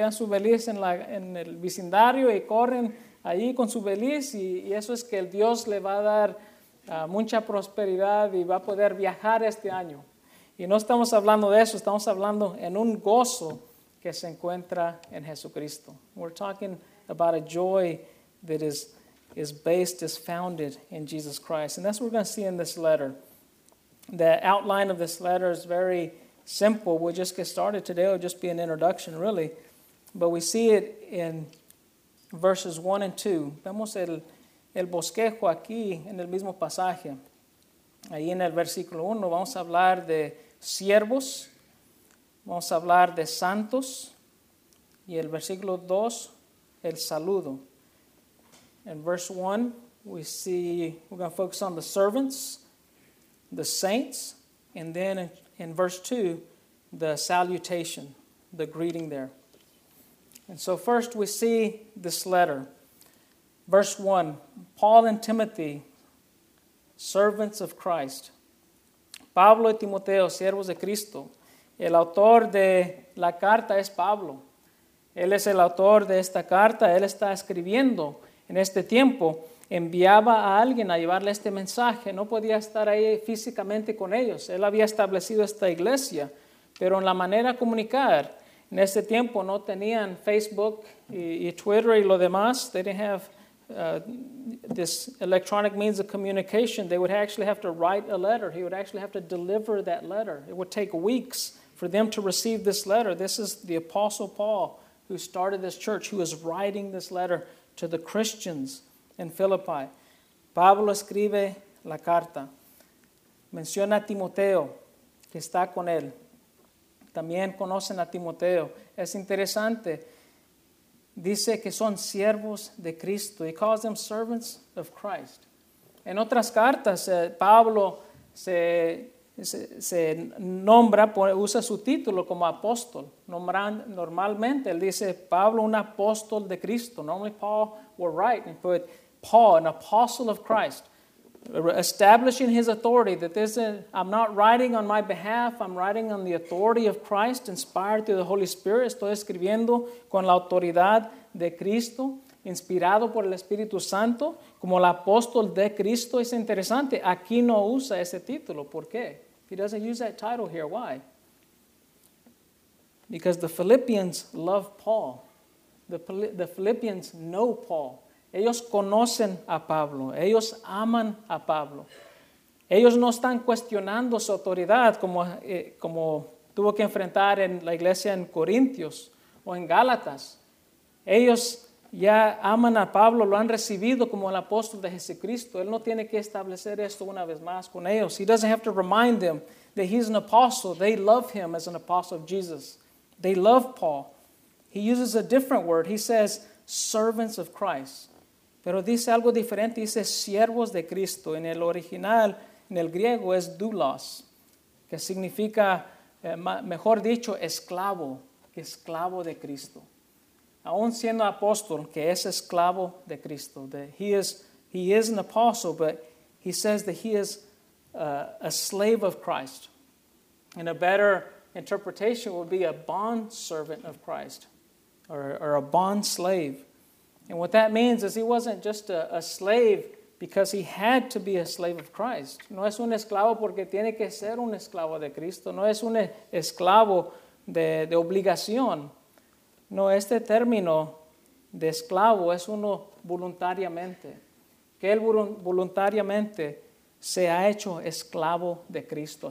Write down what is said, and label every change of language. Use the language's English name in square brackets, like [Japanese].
[Spanish] Llevan su beliz en el vecindario y corren ahí con su beliz y eso es que el Dios le va a dar mucha prosperidad y va a poder viajar este año. Y no estamos hablando de eso, estamos hablando en un gozo que se encuentra en Jesucristo. [English] We're talking about a joy that is founded in Jesus Christ. And that's what we're going to see in this letter. The outline of this letter is very simple. We'll just get started today. It'll just be an introduction, really. But we see it in verses 1 and 2. [Spanish] Vemos el bosquejo aquí en el mismo pasaje. Ahí en el versículo 1 vamos a hablar de siervos, vamos a hablar de santos, y el versículo 2, el saludo. [English] In verse 1, we're going to focus on the servants, the saints, and then in verse 2, the salutation, the greeting there. And so first we see this letter. Verse 1, Paul and Timothy, servants of Christ. [Spanish] Pablo y Timoteo, siervos de Cristo. El autor de la carta es Pablo. Él es el autor de esta carta. Él está escribiendo en este tiempo. Enviaba a alguien a llevarle este mensaje. No podía estar ahí físicamente con ellos. Él había establecido esta iglesia. Pero en la manera de comunicar, en este tiempo no tenían Facebook y Twitter y lo demás. [English] They didn't have this electronic means of communication. They would actually have to write a letter. He would actually have to deliver that letter. It would take weeks for them to receive this letter. This is the Apostle Paul who started this church, who is writing this letter to the Christians in Philippi. [Spanish] Pablo escribe la carta. Menciona a Timoteo, que está con él. También conocen a Timoteo. Es interesante. Dice que son siervos de Cristo. [English] He calls them servants of Christ. [Spanish] En otras cartas, Pablo se nombra, usa su título como apóstol. Normalmente, él dice, Pablo, un apóstol de Cristo. [English] Normally, Paul would write and put, Paul, an apostle of Christ. Establishing his authority, that this is, I'm not writing on my behalf, I'm writing on the authority of Christ, inspired through the Holy Spirit. [Spanish] Estoy escribiendo con la autoridad de Cristo, inspirado por el Espíritu Santo, como el apóstol de Cristo. Es interesante, aquí no usa ese título. ¿Por qué? [English] He doesn't use that title here. Why? Because the Philippians love Paul. The Philippians know Paul. [Spanish] Ellos conocen a Pablo. Ellos aman a Pablo. Ellos no están cuestionando su autoridad como tuvo que enfrentar en la iglesia en Corintios o en Gálatas. Ellos ya aman a Pablo, lo han recibido como el apóstol de Jesucristo. Él no tiene que establecer esto una vez más con ellos. [English] He doesn't have to remind them that he's an apostle. They love him as an apostle of Jesus. They love Paul. He uses a different word. He says, servants of Christ. [Spanish] Pero dice algo diferente. Dice, siervos de Cristo. En el original, en el griego, es doulos, que significa, mejor dicho, esclavo, que esclavo de Cristo. Aún siendo apóstol, que es esclavo de Cristo. [English] He is an apostle, but he says that he is a slave of Christ. And a better interpretation would be a bond servant of Christ, or a bond slave. And what that means is he wasn't just a slave because he had to be a slave of Christ. [Spanish] No es un esclavo porque tiene que ser un esclavo de Cristo. No es un esclavo de obligación. No, este término de esclavo es uno voluntariamente. Que él voluntariamente se ha hecho esclavo de Cristo.